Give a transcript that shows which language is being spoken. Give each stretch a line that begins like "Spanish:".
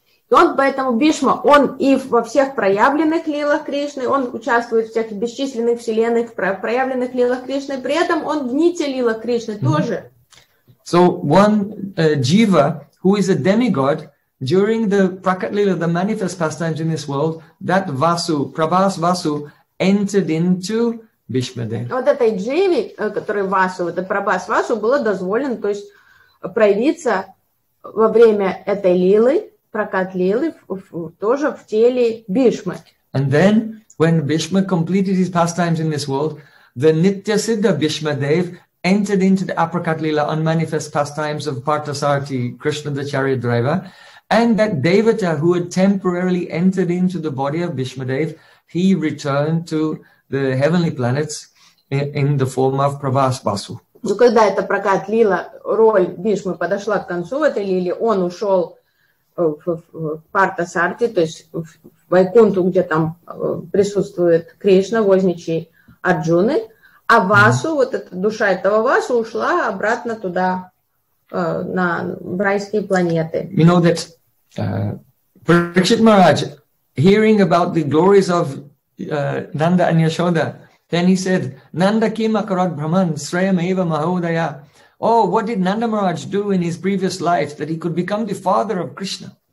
Russian: И он поэтому Бишма, он и во всех проявленных лилах Кришны, он участвует в всех бесчисленных вселенных, в проявленных лилах Кришны, при этом он в нити лилах Кришны тоже.
English: So one jiva, who is a demigod, during the prakat lila, the manifest pastimes in this world, that vasu, prabhas vasu, entered into Bhishma Dev.
Russian: Вот этой дживе, который васу, это прабхас васу, было дозволено, то есть проявиться во время этой лилы, прокат лилы тоже в теле Бишмы.
English: And then, when Bhishma completed his pastimes in this world, the Nitya Siddha Bhishma Dev entered into the Aprakat Lila unmanifest pastimes of Parthasarathi, Krishna the chariot driver, and that Devata who had temporarily entered into the body of Bhishma Dev, he returned to the heavenly planets in the form of Prabhas Basu.
Russian: Ну, когда эта прокат лила, роль Бишмы подошла к концу в этой лиле, он ушел в Партасарте, то есть в Вайкунту, где там присутствует Кришна, возничий Арджуны, а Васу, вот эта душа этого Васу, ушла обратно туда, на райские планеты.
English: You know that Parikshit Maharaj, hearing about the glories of Nanda and Yashoda, then he said,
Sanskrit: Nanda kim akarat brahman, srayam eva mahodaya.
English: Oh, what did Nanda Maharaj do in his previous life that he could become the father of Krishna?